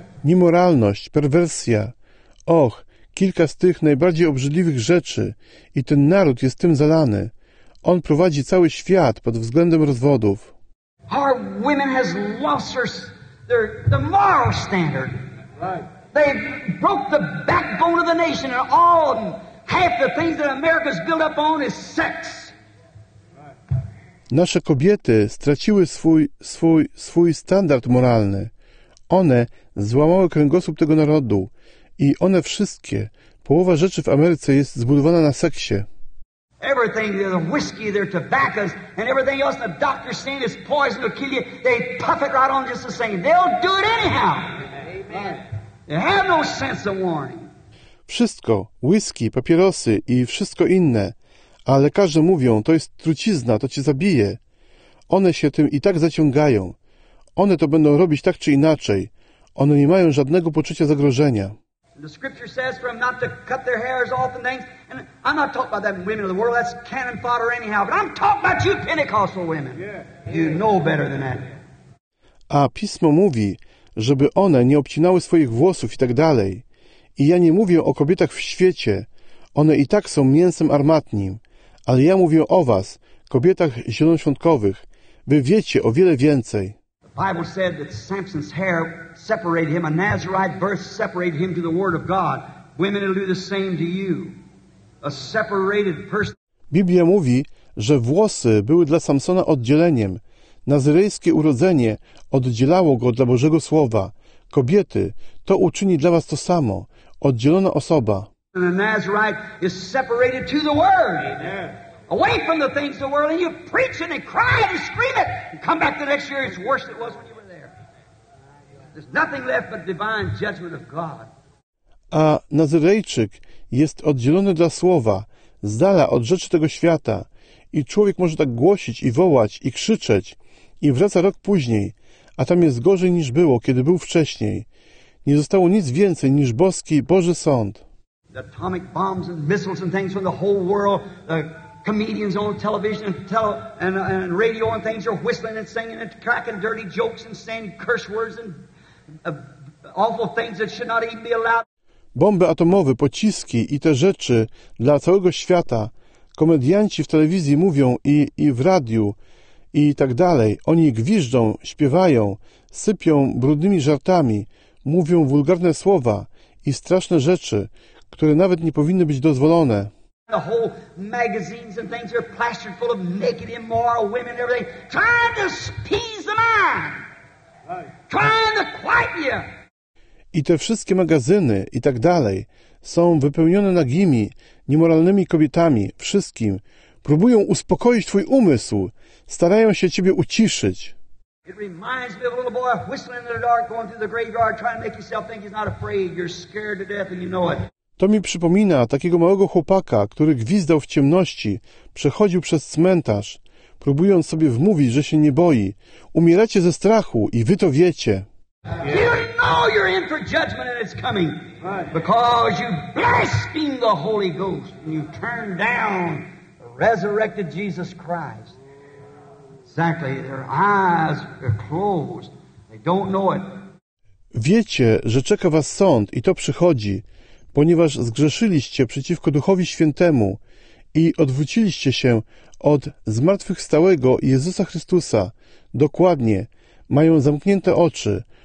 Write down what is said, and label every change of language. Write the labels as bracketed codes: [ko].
[pl] Niemoralność, perwersja. Och, kilka z tych najbardziej obrzydliwych rzeczy i ten naród jest tym zalany. On prowadzi cały świat pod względem rozwodów. [en] Our women has lost their moral standard. Right. They broke the backbone of the nation and all of them, half the things that America's built up on is sex. [pl] Nasze kobiety straciły swój standard moralny. One złamały kręgosłup tego narodu i one wszystkie, połowa rzeczy w Ameryce jest zbudowana na seksie. [en] Everything, the whiskey, their tobaccos, and everything else the doctor's saying is poison to kill you, they puff it right on just the same. They'll do it anyhow. Amen. They have no sense of warning. [pl] Wszystko, whisky, papierosy i wszystko inne, a lekarze mówią, to jest trucizna, to cię zabije. One się tym i tak zaciągają. One to będą robić tak czy inaczej. One nie mają żadnego poczucia zagrożenia. [en] The scripture says for them not to cut their hairs off and things. And I'm not talking about that women of the world, that's cannon fodder anyhow. But I'm talking about you Pentecostal women. You know better than that. [pl] A Pismo mówi, żeby one nie obcinały swoich włosów i tak dalej. I ja nie mówię o kobietach w świecie. One i tak są mięsem armatnim. Ale ja mówię o was, kobietach zielonoświątkowych. Wy wiecie o wiele więcej. [en] The Bible said that Samson's hair separated him, a Nazarite birth separated him to the word of God. Women will do the same to you. A separated person. [pl] Biblia mówi, że włosy były dla Samsona oddzieleniem. Nazyrejskie urodzenie oddzielało go dla Bożego Słowa. Kobiety, to uczyni dla was to samo. Oddzielona osoba. [en] And a Nazarite is separated to the word. Amen. Away from the things of the world. And you preach and they cry and scream it. And come back the next year, it's worse than it was when you were there. There's nothing left but divine judgment of God. [pl] A Nazyrejczyk jest oddzielony dla słowa, z dala od rzeczy tego świata. I człowiek może tak głosić i wołać i krzyczeć. I wraca rok później, a tam jest gorzej niż było, kiedy był wcześniej. Nie zostało nic więcej niż boski, Boży sąd. [en] The atomic bombs and missiles and things from the whole world, the comedians on television and radio and things are whistling and singing and cracking dirty jokes and saying curse words and awful things that should not even be allowed. [pl] Bomby atomowe, pociski i te rzeczy dla całego świata. Komedianci w telewizji mówią i w radiu i tak dalej. Oni gwiżdżą, śpiewają, sypią brudnymi żartami, mówią wulgarne słowa i straszne rzeczy, które nawet nie powinny być dozwolone. [en] The whole magazines and things are plastered full of naked, immoral women and everything, trying to appease the mind, trying to quiet you. [pl] I te wszystkie magazyny i tak dalej są wypełnione nagimi, niemoralnymi kobietami, wszystkim. Próbują uspokoić Twój umysł. Starają się Ciebie uciszyć. [en] It reminds me of a little boy whistling in the dark, going through the graveyard, trying to make yourself think he's not afraid. You're scared to death and you know it. [pl] To mi przypomina takiego małego chłopaka, który gwizdał w ciemności, przechodził przez cmentarz, próbując sobie wmówić, że się nie boi. Umieracie ze strachu i wy to wiecie. [en] You know you're in for judgment and it's coming. Because you blasphemed the Holy Ghost and you turned down the resurrected Jesus Christ. Exactly, their eyes are closed. They don't know it. [pl] Wiecie, że czeka was sąd i to przychodzi, ponieważ zgrzeszyliście przeciwko Duchowi Świętemu i odwróciliście się od zmartwychwstałego Jezusa Chrystusa. Dokładnie, mają zamknięte oczy.